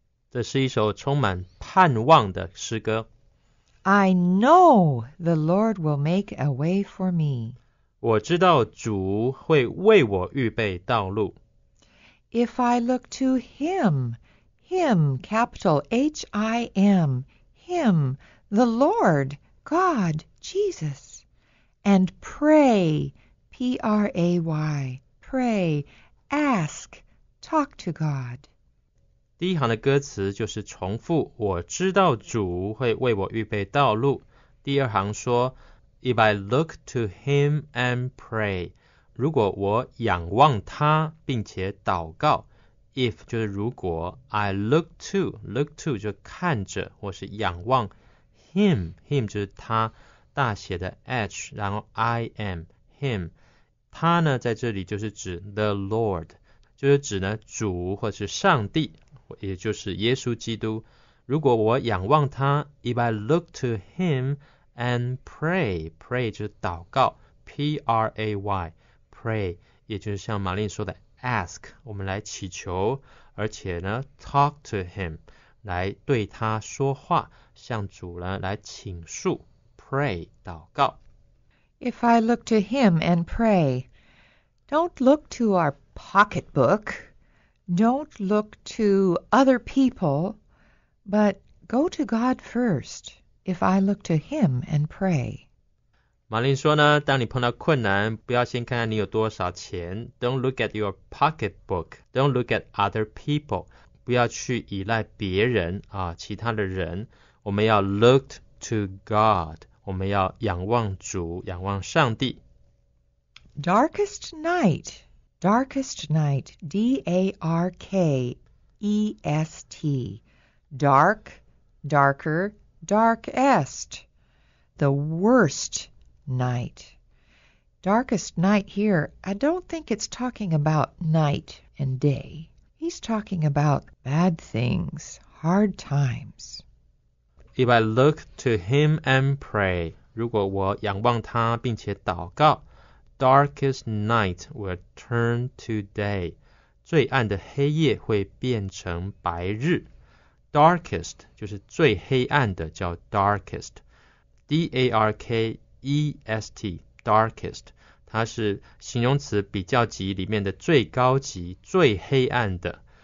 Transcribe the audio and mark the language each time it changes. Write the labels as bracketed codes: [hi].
[zh] 这是一首充满盼望的诗歌。 [en] I know the Lord will make a way for me. [zh] 我知道主会为我预备道路。 [en] If I look to him, him, capital H-I-M, him, the Lord, God, Jesus, and pray, P-R-A-Y, pray, ask, talk to God. [zh] 第一行的歌词就是重复，我知道主会为我预备道路。第二行说 , [en] If I look to him and pray, [zh] 如果我仰望他并且祷告 ,if 就是如果 , [en] I look to [zh] 就看着或是仰望 him, him 就是他大写的 H, 然后 I am, him, 他呢在这里就是指 the Lord, 就是指呢主或是上帝。也就是耶稣基督，如果我仰望他 ， [en] if I look to him and pray [zh] 就是祷告 ，P-R-A-Y pray， 也就是像玛丽说的 ask， 我们来祈求，而且呢 [en] talk to him [zh] 来对他说话，向主呢来请诉 ，pray 祷告。 [en] If I look to him and pray， don't look to our pocketbook。 Don't look to other people, but go to God first, if I look to him and pray. [zh] 马林说呢，当你碰到困难，不要先看看你有多少钱。 [en] Don't look at your pocketbook. Don't look at other people. [zh] 不要去依赖别人啊，其他的人。我们要 [en] look to God. [zh] 我们要仰望主，仰望上帝。 [en] Darkest night. Darkest night, D-A-R-K-E-S-T. Dark, darker, darkest. The worst night. Darkest night here, I don't think it's talking about night and day. He's talking about bad things, hard times. If I look to him and pray, [zh] 如果我仰望他并且祷告, [en] Darkest night will turn to day. [zh] 最暗的黑夜会变成白日。 [en] Darkest [zh] 就是最黑暗的叫 [en] darkest. D-A-R-K-E-S-T, darkest. [zh] 它是形容词比较级里面的最高级、最黑暗的。